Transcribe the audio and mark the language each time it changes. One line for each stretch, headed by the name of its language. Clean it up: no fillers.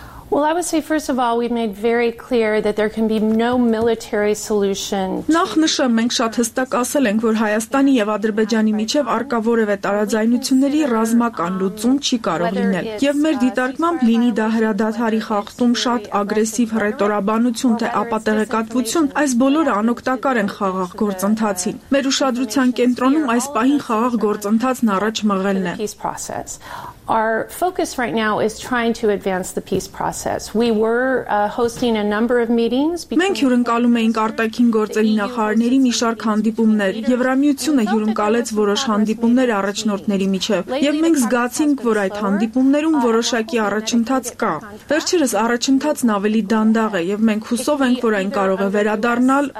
English: Well, I would say, first of all, we've made very clear that there can be no military solution.
Armenian: Նախ նշեմ, մենք շատ հստակ ասել ենք, որ Հայաստանի և Ադրբեջանի միջև առկա որևէ տարաձայնությունների ռազմական լուծում չի կարող լինել։ Եվ մեր դիտարկմամբ լինի դա հրադադարի խախտում, շատ ագրեսիվ հռետորաբանություն, թե ապատեղեկատվություն, այս բոլորը անօգտակար են խաղաղ գործընթացին։ Մեր ուշադրության կենտրոնում այս պահին խաղաղ գործընթացն առաջ մղելն է։
English: Our focus right now is trying to advance the peace process. We were hosting a number of meetings between
Armenian: Մենք հյուրընկալում էինք Արտաքին գործերի նախարարների մի շարք հանդիպումներ։ Եվրամիությունը հյուրընկալեց որոշ հանդիպումներ առաջնորդների միջև, և մենք զգացինք, որ այդ հանդիպումներում որոշակի առաջընթաց կա։ Վերջերս առաջընթացն ավելի դանդաղ է, և մենք հուսով ենք, որ այն կարող է վերադառնալ